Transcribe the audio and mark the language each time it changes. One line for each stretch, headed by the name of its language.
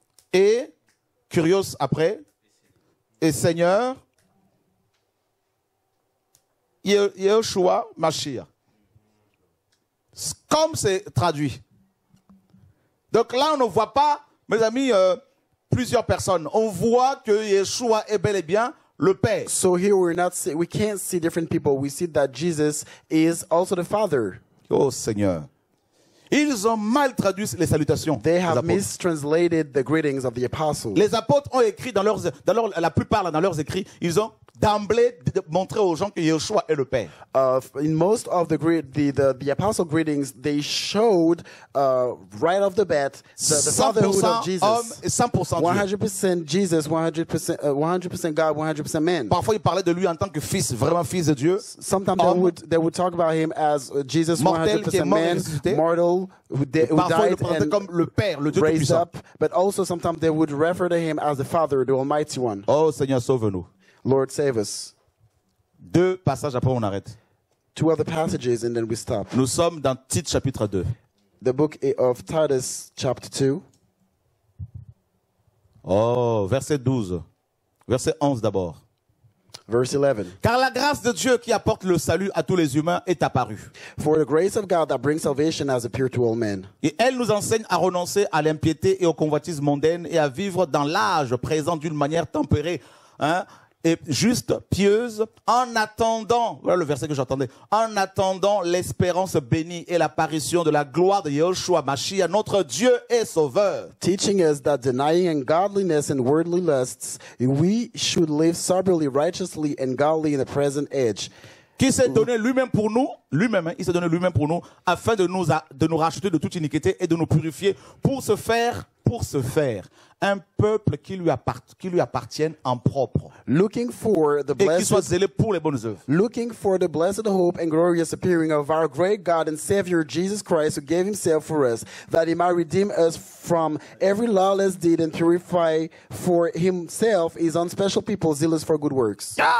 French: Et, curios après, et Seigneur, Yeshua Mashiach. Comme c'est traduit. Donc là, on ne voit pas, mes amis, plusieurs personnes. On voit que Yeshua est bel et bien le Père.
English: So here we can't see different people. We see that Jesus is also the Father.
French: Oh Seigneur. Ils ont mal traduit les salutations.
English: They have mistranslated the greetings of the apostles.
French: Les apôtres ont écrit dans leurs, la plupart dans leurs écrits, ils ont d'emblée montré aux gens que Yeshua est le Père.
English: In most of the apostle greetings, they showed right off the bat the fatherhood of Jesus.
French: 100% Dieu.
English: 100% Jesus, 100% God, 100% man.
French: Parfois ils parlaient de lui en tant que fils, vraiment fils de Dieu.
English: Sometimes they would talk about him as Jesus, 100% man, mortal.
French: Parfois, ils le présentaient comme le Père, le Dieu tout puissant. Up,
English: but also sometimes they would refer to him as the Father, the Almighty One.
French: Oh Seigneur, sauve-nous.
English: Lord, save us.
French: Deux passages après on arrête.
English: Two other passages and then we stop.
French: Nous sommes dans Tite chapitre 2.
English: The book of Titus chapter 2.
French: Oh, verset 12. Verset 11 d'abord.
English: Verse 11.
French: Car la grâce de Dieu qui apporte le salut à tous les humains est apparue.
English: For the grace of God that brings salvation has appeared to all men.
French: Et elle nous enseigne à renoncer à l'impiété et aux convoitises mondaines et à vivre dans l'âge présent d'une manière tempérée, hein, et juste, pieuse, en attendant, voilà le verset que j'entendais, en attendant l'espérance bénie et l'apparition de la gloire de Yeshua Mashiach, notre Dieu et Sauveur.
English: Teaching us that denying ungodliness and worldly lusts, we should live soberly, righteously and godly in the present age.
French: Qui s'est donné lui-même pour nous, lui-même, hein, il s'est donné lui-même pour nous, afin de nous racheter de toute iniquité et de nous purifier pour se faire. Un peuple qui lui appartienne en propre.
English: Looking for the blessed,
French: et qui soit zélé pour les bonnes œuvres.
English: Looking for the blessed hope and glorious appearing of our great God and Savior Jesus Christ, who gave himself for us, that he might redeem us from every lawless deed and purify for himself his own special people zealous for good works.